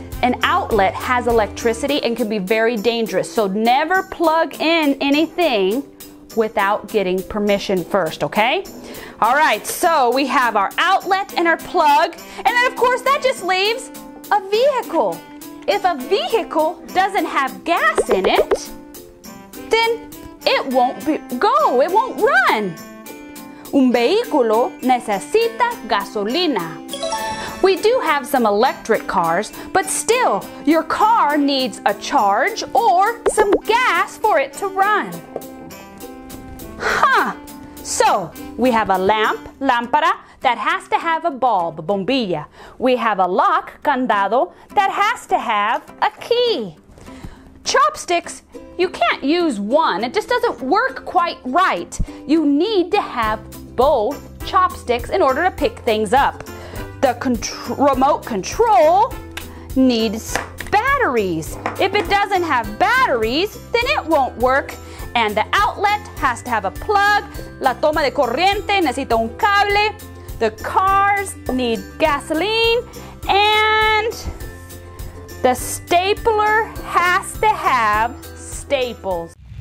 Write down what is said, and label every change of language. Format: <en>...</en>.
<en>An outlet has electricity and can be very dangerous, so never plug in anything without getting permission first, okay? All right, so we have our outlet and our plug, and then of course that just leaves a vehicle. If a vehicle doesn't have gas in it, then it won't go, it won't run.</en> <es>Un vehículo necesita gasolina.</es> <en>We do have some electric cars, but still, your car needs a charge or some gas for it to run. Huh, so we have a lamp, lámpara, that has to have a bulb, bombilla. We have a lock, candado, that has to have a key. Chopsticks, you can't use one. It just doesn't work quite right. You need to have both chopsticks in order to pick things up. The remote control needs batteries. If it doesn't have batteries, then it won't work. And the outlet has to have a plug.</en> <es>La toma de corriente necesita un cable.</es> <en>The cars need gasoline. And the stapler has to have staples.</en>